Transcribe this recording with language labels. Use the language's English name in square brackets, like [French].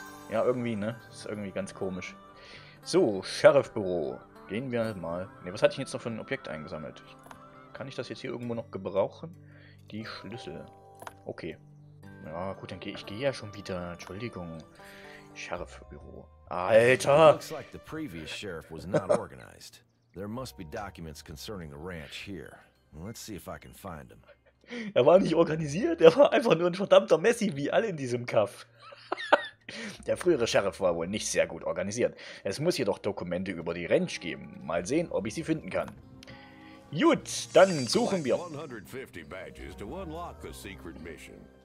[German] Ja, irgendwie, ne? Das ist irgendwie ganz komisch. So, Sheriffbüro. Gehen wir mal. Ne, was hatte ich jetzt noch für ein Objekt eingesammelt? Kann ich das jetzt hier irgendwo noch gebrauchen? Die Schlüssel. Okay. Ja, gut, dann gehe ja schon wieder. Entschuldigung. Sheriffbüro. Alter! [English] Looks like the previous sheriff was not organized. There must be documents concerning the ranch here. Let's see if I can find them. [German] Er war nicht organisiert. Er war einfach nur ein verdammter Messi, wie alle in diesem Kaff. Der frühere Sheriff war wohl nicht sehr gut organisiert. Es muss jedoch Dokumente über die Ranch geben. Mal sehen, ob ich sie finden kann. Gut, dann suchen wir. [English] 150 Badges to unlock the secret mission.